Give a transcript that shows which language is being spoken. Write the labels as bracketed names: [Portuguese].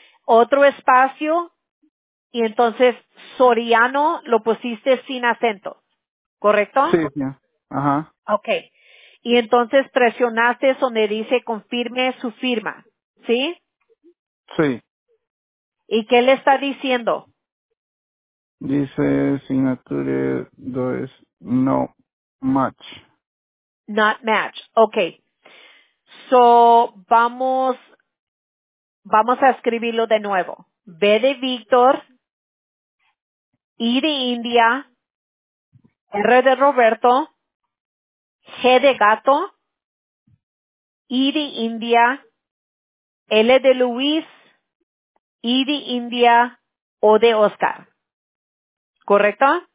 [Spanish] Otro espacio, y entonces Soriano lo pusiste sin acento, ¿correcto? Sí, sí. Ajá. Okay. Y entonces presionaste donde dice confirme su firma, ¿sí? Sí. ¿Y qué le está diciendo? Dice, [English] signature, does not match. Not match. Okay. [Spanish] So, vamos a escribirlo de nuevo. B de Víctor, I de India, R de Roberto, G de Gato, I de India, L de Luis, I de India, O de Oscar. ¿Correcto?